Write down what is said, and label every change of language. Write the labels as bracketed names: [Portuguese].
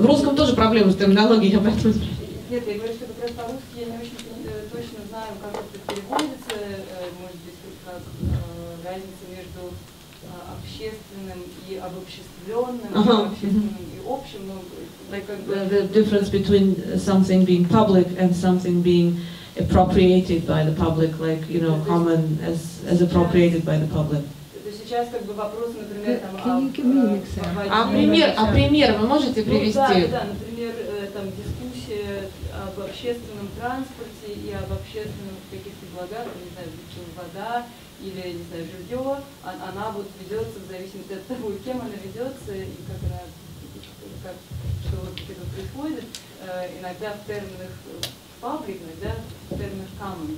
[Russian] В русском тоже проблемы с терминологией, я поэтому... Нет, я говорю, что как раз по-русски я не очень точно знаю, как это переводится, может быть, как разница между общественным и обобществленным, ага. Общественным и общим, но... [English] Like, the difference between something being public and something being... appropriated by the public, like, you know, common as appropriated by the public. Can you give me an example? [Russian] А пример вы можете привести? Ну, да, например, там дискуссия об общественном транспорте и об общественных каких-то благах, не знаю, вода или, не знаю, жилье, она вот ведется в зависимости от того, кем она ведется и как она, как, что вот это происходит, иногда в терминах пабликных, да, термин common.